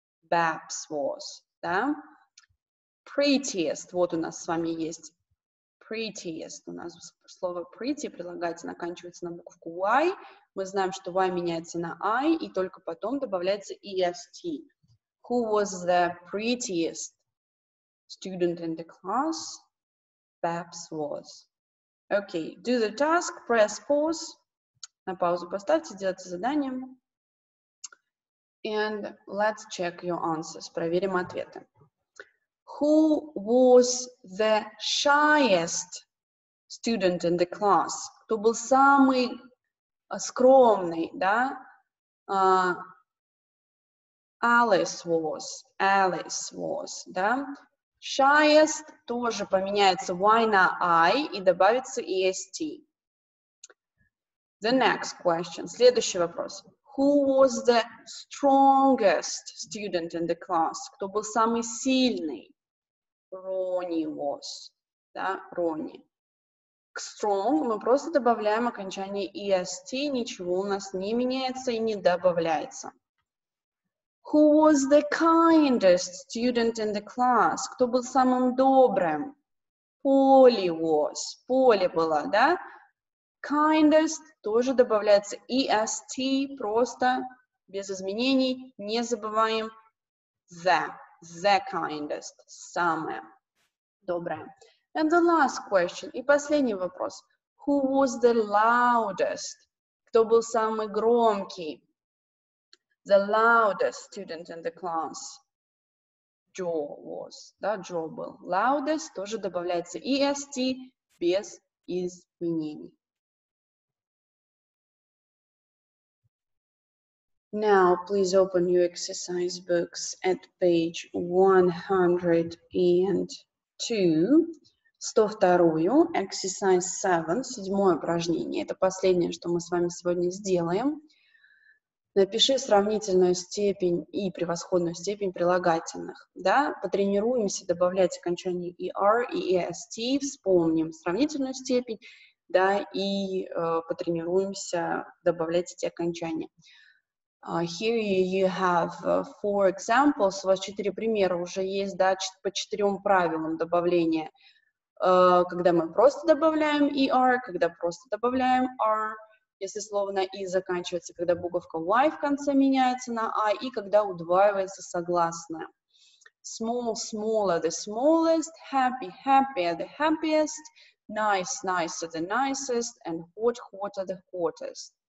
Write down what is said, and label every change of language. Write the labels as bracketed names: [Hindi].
[English] Babs was, [Russian] да? Prettiest, вот у нас с вами есть prettiest. У нас слово pretty прилагательное оканчивается на букву Y. Мы знаем, что Y меняется на I, и только потом добавляется EST. [English] Who was the prettiest student in the class? Babs was. Okay, do the task, press pause. [Russian] На паузу поставьте, делайте задание. [English] And let's check your answers. [Russian] Проверим ответы. [English] Who was the shyest student in the class? [Russian] Кто был самый скромный, да? [English] Alice was, да? [Russian] Shyest тоже поменяется y на i и добавится est. [English] The next question. [Russian] Следующий вопрос. [English] Who was the strongest student in the class? [Russian] Кто был самый сильный? [English] Ronnie was. [Russian] Да, Ronnie. К strong мы просто добавляем окончание est, ничего у нас не меняется и не добавляется. [English] Who was the kindest student in the class? [Russian] Кто был самым добрым? [English] Polly was. [Russian] Polly была, да? Kindest тоже добавляется est, просто без изменений, не забываем the kindest, самое доброе. [English] And the last question, [Russian] и последний вопрос. [English] Who was the loudest? [Russian] Кто был самый громкий? [English] The loudest student in the class. Joe was, [Russian] да, Joe был. Loudest тоже добавляется est, без изменений. [English] Now, please open your exercise books at page 102. [Russian] 102, exercise 7, седьмое упражнение. Это последнее, что мы с вами сегодня сделаем. Напиши сравнительную степень и превосходную степень прилагательных. Да? Потренируемся добавлять окончание ER и EST. Вспомним сравнительную степень, да, и потренируемся добавлять эти окончания. [English] Here you have four examples. [Russian] У вас четыре примера уже есть, да, по четырем правилам добавления. Когда мы просто добавляем ER, когда просто добавляем R, если слово на I заканчивается, когда буковка Y в конце меняется на I, и когда удваивается согласное. [English] Small, smaller, the smallest, happy, happier, the happiest, nice, nicer, the nicest, and hot, hotter, the hottest.